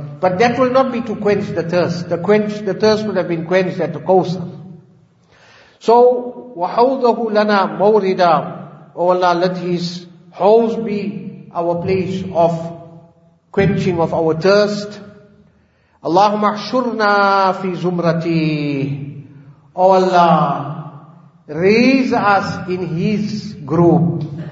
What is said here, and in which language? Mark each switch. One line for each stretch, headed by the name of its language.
English: But that will not be to quench the thirst. The thirst would have been quenched at the Kawthar.
Arabic: So وَحَوْضَهُ لَنَا مَوْرِدًا.
English: O Allah, let his house be our place of quenching of our thirst.
Arabic: Allahumma ahshurna fi zumrati.
English: O Allah, raise us in his group.